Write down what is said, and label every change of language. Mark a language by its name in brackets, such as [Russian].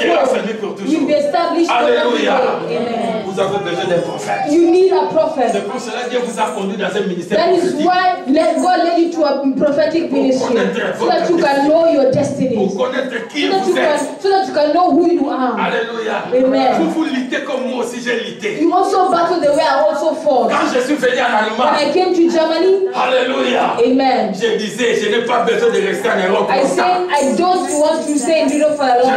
[French] Sera affermi pour toujours. [English] Will be established. [French] Alléluia. [English] Amen. [French] Vous avez besoin d'un prophète. [English] You need a prophet. [French] C'est pour cela que Dieu vous a conduit dans un ministère. [English] That is why let God lead you to a prophetic ministry. [French] Pour connaître [English] so that you can know your destiny. [French] Pour connaître qui so vous êtes. [English] So that you can know who you are. [French] Alléluia. [English] Amen. [French] Vous luttez comme moi aussi, j'ai lutté. [English] You also battle the way I also fought. [French] Quand je suis venu en Allemagne. [English] When I came to Germany. [French] Alléluia. [English] Amen. [French] Je disais, je n'ai pas besoin de rester en Europe. [English] I said, I don't want to stay in Europe for a long time.